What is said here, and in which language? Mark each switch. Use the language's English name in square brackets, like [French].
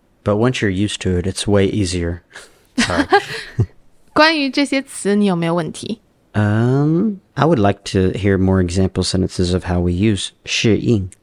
[English] But once you're used to it, it's way easier. [Chinese] 关于这些词你有没有问题? [English] I would like to hear more example sentences of how we use 适应.